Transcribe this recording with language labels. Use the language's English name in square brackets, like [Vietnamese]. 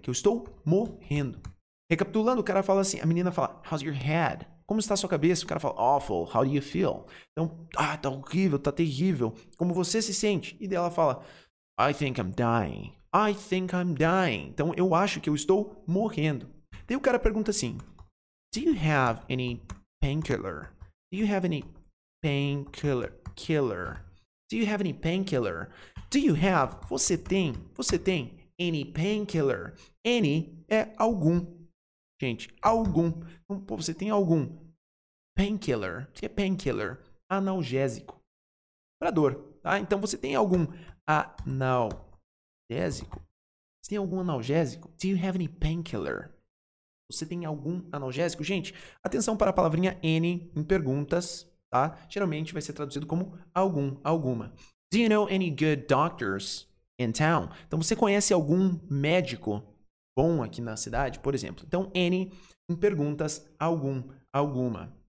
[Portuguese] Que eu estou morrendo. Recapitulando, o cara fala assim, a menina fala, [English] how's your head? [Portuguese] Como está a sua cabeça? O cara fala, [English] awful, how do you feel? [Portuguese] Então, ah, tá horrível, tá terrível. Como você se sente? E daí ela fala, [English] I think I'm dying. I think I'm dying. [Portuguese] Então, eu acho que eu estou morrendo. Daí o cara pergunta assim, [English] do you have any painkiller? Do you have any painkiller? Killer. Do you have any painkiller? Do you have? [Portuguese] Você tem [English] any painkiller? [Portuguese] Any é algum. Gente, algum. Então, pô, você tem algum painkiller? O que é painkiller? Analgésico. Para dor, tá? Então você tem algum analgésico? Você tem algum analgésico? [English] Do you have any painkiller? [Portuguese] Você tem algum analgésico? Gente, atenção para a palavrinha any em perguntas, tá? Geralmente vai ser traduzido como algum, alguma. [English] Do you know any good doctors in town? [Portuguese] Então, você conhece algum médico bom aqui na cidade, por exemplo? Então, any em perguntas, algum, alguma.